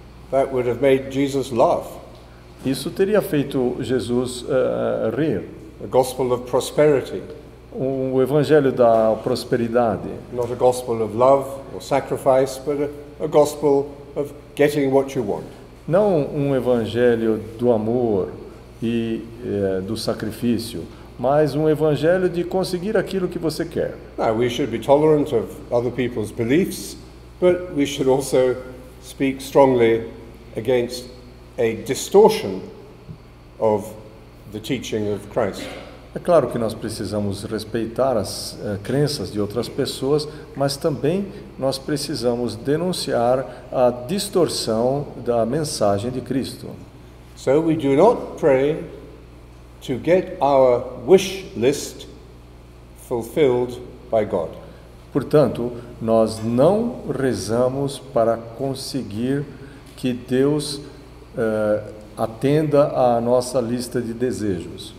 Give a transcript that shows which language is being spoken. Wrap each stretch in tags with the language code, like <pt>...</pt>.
<en>That would have made Jesus laugh.</en> <pt>Isso teria feito Jesus rir.</pt> <en>A gospel of prosperity.</en> <pt>O evangelho da prosperidade.</pt> <en>Not a gospel of love or sacrifice, but a gospel of getting what you want.</en> <pt>Não um evangelho do amor e do sacrifício, mas um evangelho de conseguir aquilo que você quer.</pt> <en>Now, we should be tolerant of other people's beliefs, but we should also speak strongly against a distortion of the teaching of Christ.</en> <pt>É claro que nós precisamos respeitar as crenças de outras pessoas, mas também nós precisamos denunciar a distorção da mensagem de Cristo.</pt> <en>So we do not pray to get our wish list fulfilled by God.</en> <pt>Portanto, nós não rezamos para conseguir que Deus atenda a nossa lista de desejos.</pt>